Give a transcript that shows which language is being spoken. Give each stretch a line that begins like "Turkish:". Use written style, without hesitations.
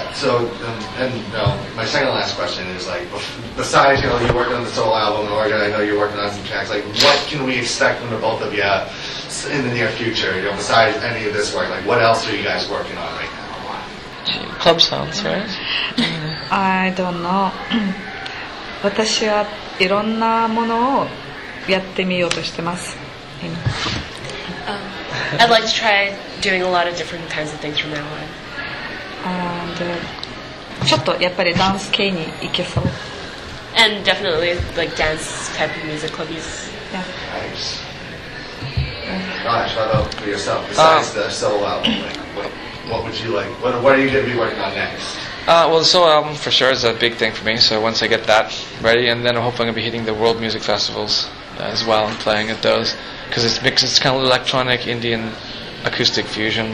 English: So, my second to last question is like, besides, you know, you're working on the solo album, or I know you're working on some tracks, like, what can we expect from the both of you in the near future? You know, besides any of this work, like, what else are you guys working on right now? Club sounds, right? I don't know.
Japanese: 私はいろんなものをやってみようとしてます。今。
English: I'd like to try doing a lot of different kinds of things from now on.
Japanese: And, ちょっとやっぱりダンス系に行けそう。
English: And definitely like dance type of music clubs. Yeah. gosh, how about for yourself, besides the solo album, like, what would you like, what are you going to be working on next? Well, the solo album for sure is a big thing for me, so once I get that ready, and then hopefully I'm going to be hitting the world music festivals as well and playing at those, because it's kind of electronic Indian acoustic fusion.